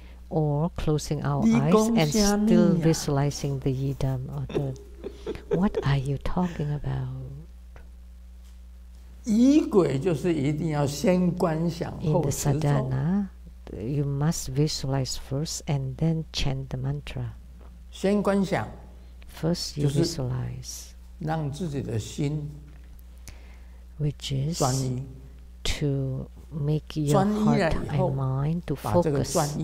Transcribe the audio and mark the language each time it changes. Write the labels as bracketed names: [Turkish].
[English] or closing our eyes and still visualizing the yidam or the what are you talking about? [Chinese] 仪轨就是一定要先观想后持咒 [English] in the sadhana you must visualize first and then chant the mantra [Chinese] 先观想 [English] first you visualize [Chinese] 让自己的心 [English] Which is to make your heart and mind to focus.